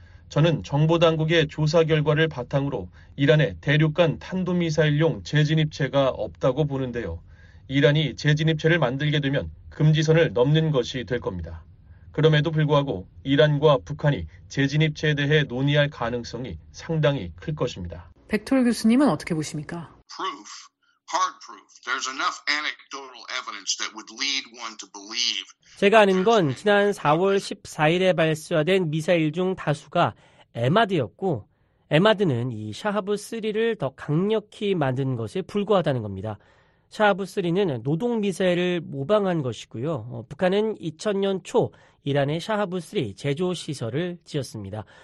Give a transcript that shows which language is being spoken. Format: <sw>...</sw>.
<ko>저는 정보당국의 조사 결과를 바탕으로 이란에 대륙간 탄도미사일용 재진입체가 없다고 보는데요. 이란이 재진입체를 만들게 되면 금지선을 넘는 것이 될 겁니다. 그럼에도 불구하고 이란과 북한이 재진입체에 대해 논의할 가능성이 상당히 클 것입니다. 백톨 교수님은 어떻게 보십니까?</ko> <en>Proof, hard proof. There's enough anecdotal evidence that would lead one to believe.</en> <ko>제가 아는 건 지난 4월 14일에 발사된 미사일 중 다수가 에마드였고 에마드는 이 샤하브3를 더 강력히 만든 것에 불과하다는 겁니다. 샤하브3는 노동미사일을 모방한 것이고요. 북한은 2000년 초 이란의 샤하브3 제조시설을 지었습니다.</ko>